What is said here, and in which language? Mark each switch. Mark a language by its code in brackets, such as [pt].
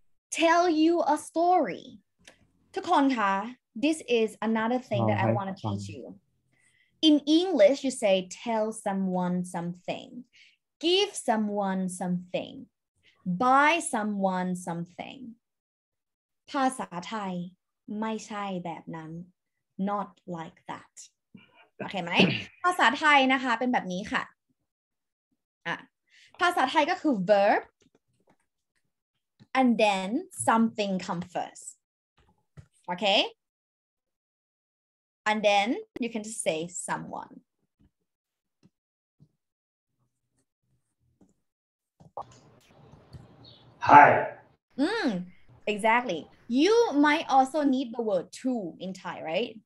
[en] Tell you a story. To Konka, this is another thing that I want to teach you. In English, you say tell someone something. Give someone something. Buy someone something. [th] ภาษาไทยไม่ใช่แบบนั้น [en] not like that. [th] โอเคไหมภาษาไทยนะคะเป็นแบบนี้ค่ะภาษาไทยก็คือ [en] verb and then something come first. Okay? And then you can just say someone. Hi. Mm, exactly. You might also need the word to in Thai, right?